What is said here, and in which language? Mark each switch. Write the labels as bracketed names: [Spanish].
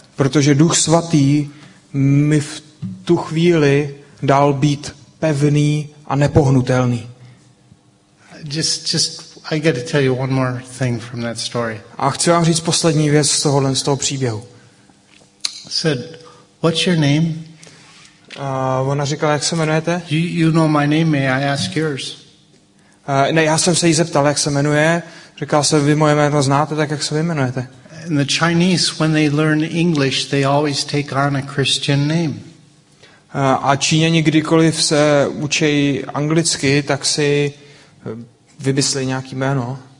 [Czech] Protože Duch svatý mi v tu chvíli dal být pevný a nepohnutelný. [English] Just I got to tell you one more thing from that story. [Czech] A chci vám říct poslední věc z toho příběhu. [English] Said, what's your name? [Czech] Ona říkala, jak se jmenujete? [English] You know my name, may I ask yours? [Czech] Ne, já jsem se jí zeptal, jak se jmenuje. Říkal jsem, vy moje jméno znáte, tak jak se jmenujete? [English] And the Chinese, when they learn English, they always take on a Christian name. [Czech] A Číňani, kdykoliv se učí anglicky, tak si vymyslí nějaký jméno.